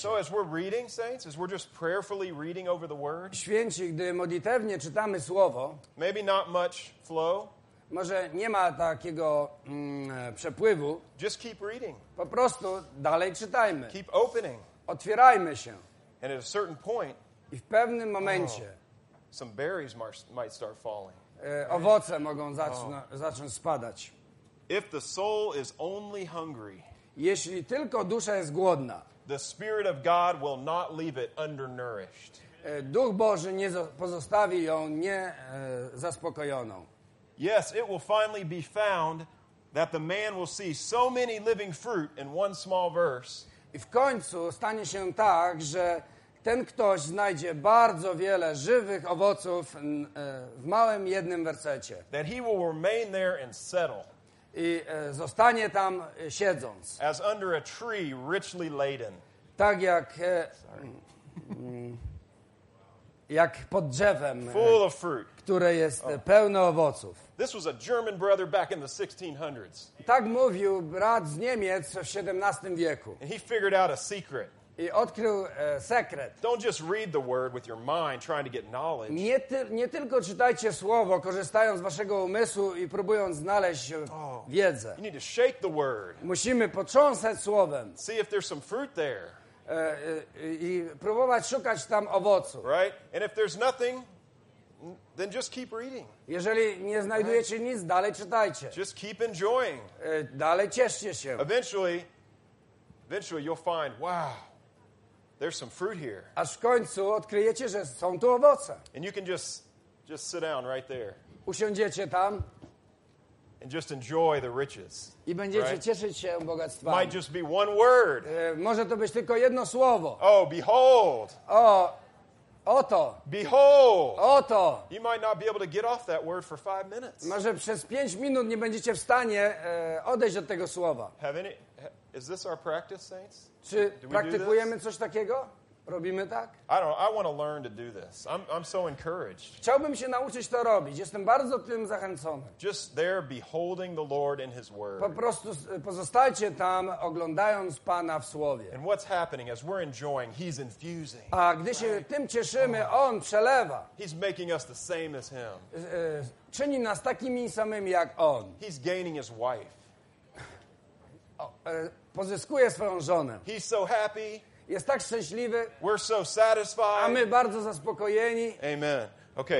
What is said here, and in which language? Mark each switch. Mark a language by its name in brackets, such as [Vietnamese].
[English] So as we're reading, saints, as we're just prayerfully reading over the word. [Polish] Święci, gdy modlitewnie czytamy słowo. [English] Maybe not much flow. [Polish] Może nie ma takiego przepływu. [English] Just keep reading. [Polish] Po prostu dalej czytajmy. [English] Keep opening. [Polish] Otwierajmy się. [English] And at a certain point. [Polish] I w pewnym momencie. [English] Oh, some berries might start falling. [Polish] Owoce mogą zacząć spadać. [English] If the soul is only hungry. [Polish] Jeśli tylko dusza jest głodna, [English] the Spirit of God will not leave it undernourished. [Polish] Duch Boży nie pozostawi ją nie zaspokojoną. [English] Yes, it will finally be found that the man will see so many living fruit in one small verse. [Polish] I w końcu stanie się tak, że ten ktoś znajdzie bardzo wiele żywych owoców w małym jednym wersecie. [English] That he will remain there and settle. [Polish] I zostanie tam siedząc. [English] As under a tree richly laden. [Polish] Tak jak jak pod drzewem, [English] full of fruit. [Polish] Które jest pełne owoców. [English] This was a German brother back in the 1600s. [Polish] Tak mówił brat z Niemiec w XVII wieku. [English] And he figured out a secret. [Polish] I odkrył sekret. [English] Don't just read the word with your mind trying to get knowledge. [Polish] Nie tylko czytajcie słowo, korzystając z waszego umysłu i próbując znaleźć wiedzę. [English] You need to shake the word. [Polish] Musimy potrząsać słowem. [English] See if there's some fruit there. [Polish] I próbować szukać tam owocu. [English] Right? And if there's nothing, then just keep reading. [Polish] Jeżeli nie znajdujecie [English] right? [Polish] nic, dalej czytajcie. [English] Just keep enjoying. [Polish] Dalej cieszcie się. [English] Eventually you'll find, wow. There's some fruit here. [Polish] Aż w końcu odkryjecie, że są tu owoce. [English] And you can just sit down right there. [Polish] Usiądziecie tam. [English] And just enjoy the riches. [Polish] I będziecie [English] right? [Polish] cieszyć się bogactwami. [English] Might just be one word. [Polish] Może to być tylko jedno słowo. [English] Oh, behold. [Polish] Oto. [English] Behold. [Polish] Oto. [English] You might not be able to get off that word for 5 minutes. [Polish] Może przez 5 minut nie będziecie w stanie odejść od tego słowa. [English] Is this our practice, saints? [Polish] Czy praktykujemy coś takiego? Robimy tak? [English] I don't know. I want to learn to do this. I'm so encouraged. [Polish] Chciałbym się nauczyć to robić. Jestem bardzo tym zachęcony. [English] Just there beholding the Lord in His Word. [Polish] Po prostu pozostajcie tam, oglądając Pana w Słowie. [English] And what's happening as we're enjoying, He's infusing. [Polish] A gdy się tym cieszymy, On przelewa. [English] He's making us the same as Him. [Polish] Czyni nas takimi samymi jak On. [English] He's gaining His wife. [Polish] Pozyskuje swoją żonę. [English] He's so happy. [Polish] Jest tak szczęśliwy. [English] We're so satisfied. [Polish] A my bardzo zaspokojeni. [English] Amen. Okay.